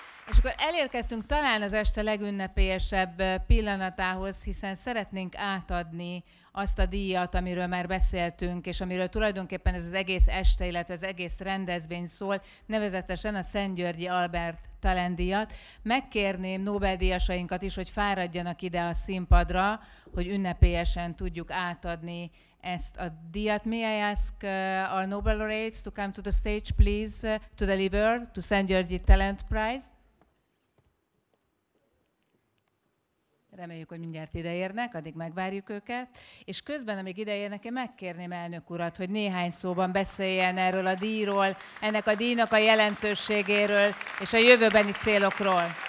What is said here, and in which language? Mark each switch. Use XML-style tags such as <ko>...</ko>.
<hu>És akkor elérkeztünk talán az este legünnepélyesebb pillanatához, hiszen szeretnénk átadni azt a díjat, amiről már beszéltünk, és amiről tulajdonképpen ez az egész este, illetve az egész rendezvény szól, nevezetesen a Szent Györgyi Albert Talendíjat. Megkérném Nobel-díjasainkat is, hogy fáradjanak ide a színpadra, hogy ünnepélyesen tudjuk átadni ezt a díjat.</hu> <en>May I ask our Nobel laureates to come to the stage, please, to deliver to Szent Györgyi Talent Prize.</en> <hu>Reméljük, hogy mindjárt ideérnek, addig megvárjuk őket. És közben, amíg ideérnek, én megkérném elnök urat, hogy néhány szóban beszéljen erről a díjról, ennek a díjnak a jelentőségéről és a jövőbeni célokról.</hu>